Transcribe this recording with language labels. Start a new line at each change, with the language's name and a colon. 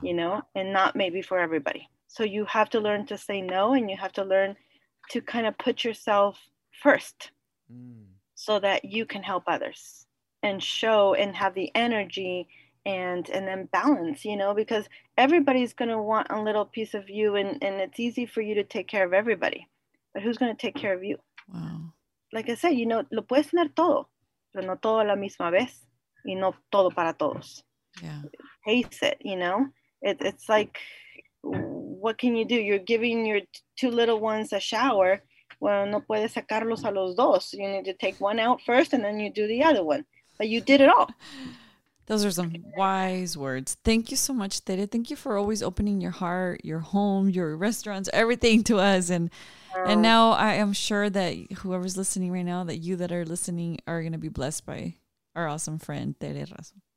English: You know, and not maybe for everybody. So you have to learn to say no, and you have to learn to kind of put yourself first. Mm. So that you can help others and show and have the energy and then balance, you know, because everybody's going to want a little piece of you, and it's easy for you to take care of everybody, but who's going to take care of you? Wow.
Spanish: Like I said, you know, lo puedes tener todo, pero no todo a la misma vez, y no todo para todos.
English: Yeah. Pace it, you know, it's like, what can you do? You're giving your two little ones a shower.
Spanish: Well, no puedes sacarlos a los dos.
English: You need to take one out first and then you do the other one. But you did it all. Those are some wise words. Thank you so much, Tere. Thank you for always opening your heart, your home, your restaurants, everything to us. And now I am sure that whoever's listening right now, that you that are listening are going to be blessed by our awesome friend, Tere Razo.